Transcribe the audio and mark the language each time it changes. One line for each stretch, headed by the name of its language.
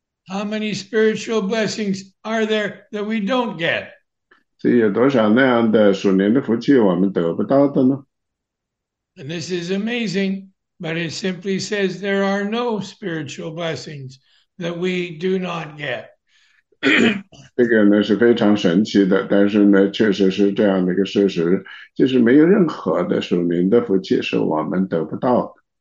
English: How many spiritual blessings are there that we don't get?
Chinese: 所以有多少那样的属灵的福气我们得不到的呢？
English: And this is amazing, but it simply says there are no spiritual blessings that we do not get.
Chinese: 这个呢是非常神奇的，但是呢，确实是这样的一个事实，就是没有任何的属灵的福气是我们得不到的。